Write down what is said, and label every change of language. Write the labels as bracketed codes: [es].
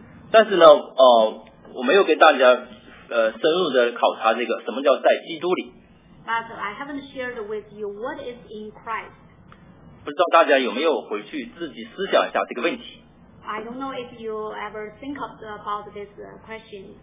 [zh] 但是呢，我没有跟大家深入的考察这个什么叫在基督里。 [en] But I haven't shared with you what is in Christ. [zh] 不知道大家有没有回去自己思想一下这个问题。 [en] I don't know if you ever think about this question.